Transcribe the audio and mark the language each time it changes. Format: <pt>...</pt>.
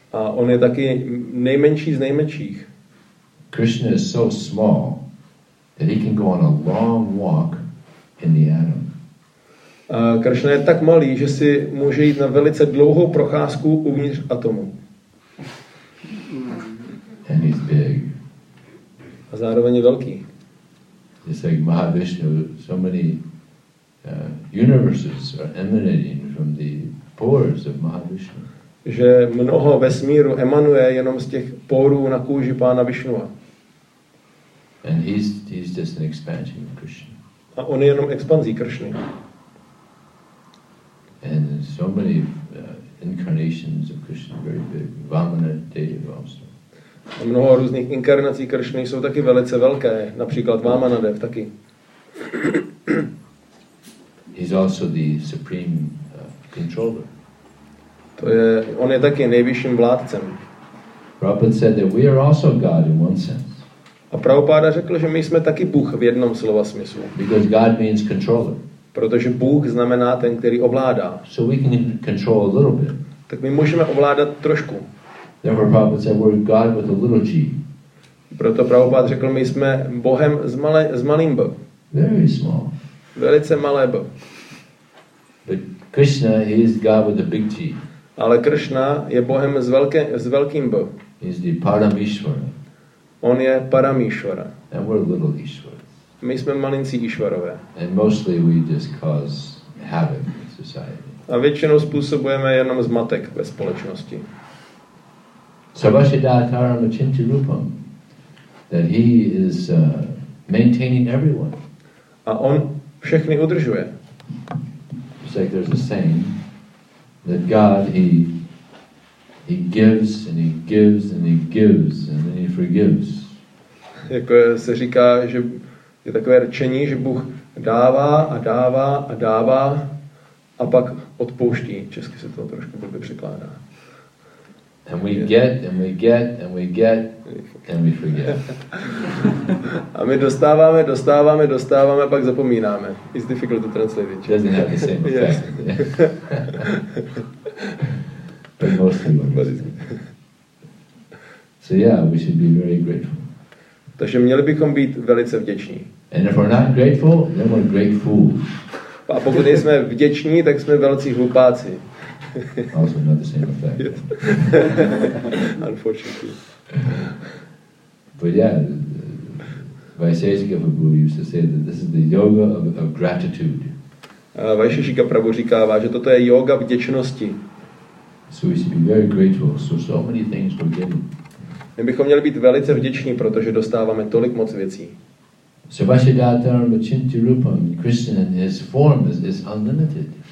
<cs>A on je taky nejmenší z nejmenších.</cs> <en>Krishna is so small that he can go on a long walk in the atom.</en> <cs>Krishna je tak malý, že si může jít na velice dlouhou procházku uvnitř atomu.</cs> <en>And he's big.</en> <cs>A zároveň je velký.</cs> <en>Just like Mahavishnu, so many universes are emanating from the pores of Mahavishnu.</en> <cs>Že mnoho vesmíru emanuje jenom z těch pórů na kůži pána Vishnua.</cs> <en>And he's just an expansion of Krishna.</en> <cs>A on je jenom expanzí Krishny.</cs> <en>And so many incarnations of Krishna, very big. Vamana Deva also.</en> <cs>A mnoho různých inkarnací Krishny jsou taky velice velké, například Vámanadev taky.</cs> <en>He's also the supreme controller.</en> <cs>To je, on je taky nejvyšším vládcem.</cs> <en>Prabhupada said that we are also God in one sense.</en> <cs>A Prabhupada řekl, že my jsme taky Bůh v jednom slova smyslu.</cs> <en>Because God means controller.</en> <cs>Protože Bůh znamená ten, který ovládá.</cs> <en>So we can control a little bit.</en> <cs>Tak my můžeme ovládat trošku.</cs> <en>Therefore, Prabhupada said, "We're God with a little g."</en> <cs>Proto Prabhupada řekl, my jsme Bohem s malým b.</cs> <en>Very small.</en> <cs>Velice malé b.</cs> <en>But Krishna, he is God with a big g.</en> <cs>Ale Krishna je Bohem s velkým b.</cs> <en>He's the Paramishvara.</en> <cs>On je Paramishvara.</cs> <en>And we're little Ishvara.</en> <cs>My jsme malinci Ishvarové.</cs> <en>And mostly we just cause havoc in society.</en> <cs>A většinou způsobujeme jenom zmatek ve společnosti.</cs> <sa>Sabashidataram achinti rupam,</sa> <en>that he is maintaining everyone.</en> <cs>A on všechny udržuje.</cs> <en>It's like there's a saying that God he gives and he gives and he gives and then he forgives.</en> <cs>Jako se říká, že je takové řečení, že Bůh dává a dává a dává a pak odpouští. Česky se to trošku blbě překládá.</cs> <en>And we get, and we get, and we get, and we forget.</en> <cs>A my dostáváme, dostáváme, dostáváme, pak zapomínáme.</cs> <en>It's difficult to translate it. Doesn't have the same effect. Yeah. But mostly what we say. So So yeah, we should be very grateful.</en> <cs>Takže měli bychom být velice vděční.</cs> <en>And if we're not grateful, then we're great fools.</en> <cs>A pokud nejsme vděční, tak jsme velcí hlupáci.</cs> <en>Also not the same effect. Unfortunately. But yeah, Vaisheshika Prabhu used to say that this is the yoga of gratitude.</en> <cs>Vaisheshika Prabhu říkává, že toto je yoga vděčnosti.</cs> <en>So we should be very grateful. So many things we're getting.</en> <cs>My bychom měli být velice vděční, protože dostáváme tolik moc věcí.</cs> <en>So</en> <sa>Vaishyadharma Chinti Rupam</sa> <en>Krishna in his form is unlimited.</en>